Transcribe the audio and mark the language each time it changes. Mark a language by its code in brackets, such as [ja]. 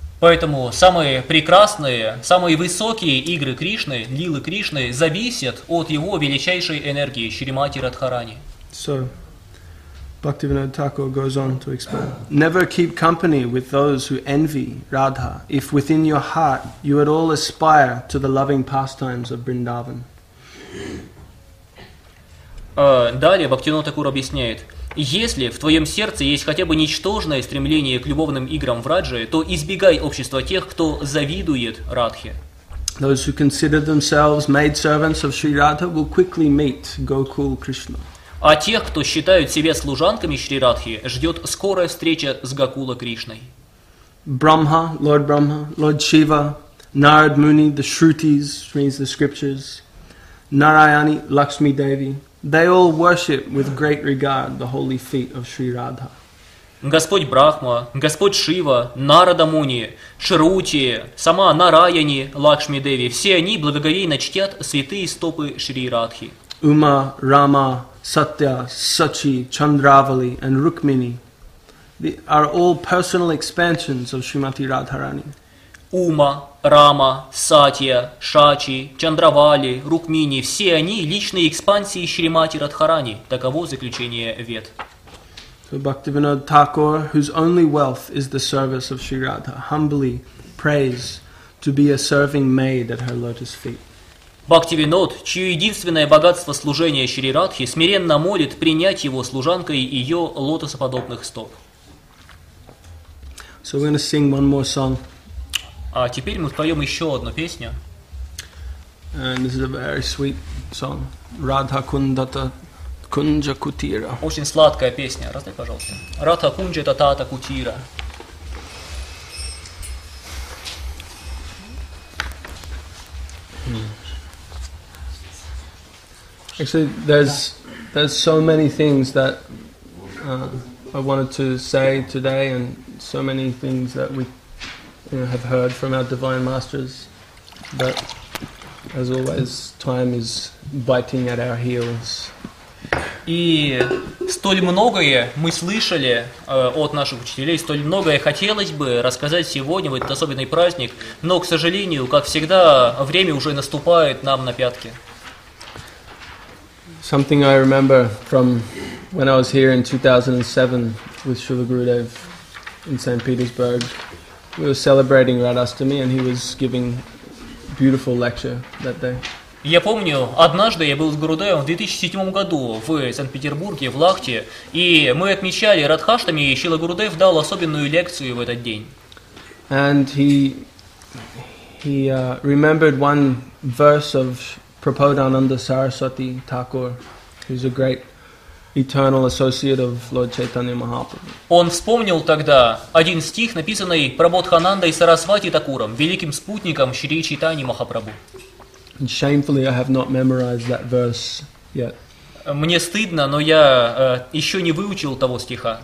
[ru] Поэтому самые прекрасные, самые высокие игры Кришны, лилы Кришны, зависят от его величайшей энергии, Шримати Радхарани. [en] So, Bhaktivinoda Thakur goes on to explain. Never keep company with those who envy Radha, if within your heart you at all aspire to the loving pastimes of Vrindavan. [ru] Далее Бхактивинода Такур объясняет. Если в твоем сердце есть хотя бы ничтожное стремление к любовным играм в Раджи, то избегай общества тех, кто завидует Радхе. [en] Those who consider themselves maidservants of Sri Radha will quickly meet Gokul Krishna. [ru] А тех, кто считают себя служанками Шри Радхи, ждет скорая встреча с Гокула Кришной. [en] Brahma, Lord Brahma, Lord Shiva, Narad Muni, the Shrutis, which means the scriptures, Narayani, Lakshmi Devi. They all worship with great regard the holy feet of Sri Radha. [ru] Господь Брахма, Господь Шива, Нарада Муни, Шрути, сама Нараяни, Лакшми Деви, все они благоговейно чтят святые стопы Шри Радхи. [en] Ума, Рама, Сатья, Сачи, Чандравали and Рукмини are all personal expansions of Shrimati Radharani. [ru] Ума, Рама, Сатья, Шачи, Чандравали, Рукмини – все они – личные экспансии Шримати Радхарани. Таково заключение вед. [en] So Bhaktivinoda Thakur, whose only wealth is the service of Sri Radha, humbly prays to be a serving maid at her lotus feet. [ru] Бхактивинод, чье единственное богатство служения Шри Радхи, смиренно молит принять его служанкой ее лотосоподобных стоп. [en] So we're going to sing one more song. [ru] А теперь мы споем еще одну песню. [en] And this is a very sweet song. Radha Kundata Kunja Kutira. [ru] Очень сладкая песня. Раздай, пожалуйста. Radha Kunja Tata Kutira. [en] Actually, there's so many things that I wanted to say today and so many things that we have heard from our divine masters, but as always, time is biting at our heels. [ru] И столь многое мы слышали от наших учителей, столь многое хотелось бы рассказать сегодня в этот особенный праздник, но, к сожалению, как всегда, время уже наступает нам на пятки. [en] Something I remember from when I was here in 2007 with Srila Gurudev in St. Petersburg. We were celebrating Radhastami, and he was giving beautiful lecture that day. [ru] Я помню, однажды я был с Гурудевом в 2007 году в Санкт-Петербурге, в Лахте, и мы отмечали Радхаштами, и Шрила Гурудев дал особенную лекцию в этот день. [en] And he remembered one verse of Prabodhananda Saraswati Thakur, who's a great eternal associate of Lord Chaitanya Mahaprabhu. [ru] Он вспомнил тогда один стих, написанный Прабодханандой Сарасвати Такуром, великим спутником Шри Чайтаньи Махапрабху. [en] And shamefully, I have not memorized that verse yet. [ru] Мне стыдно, но я еще не выучил того стиха.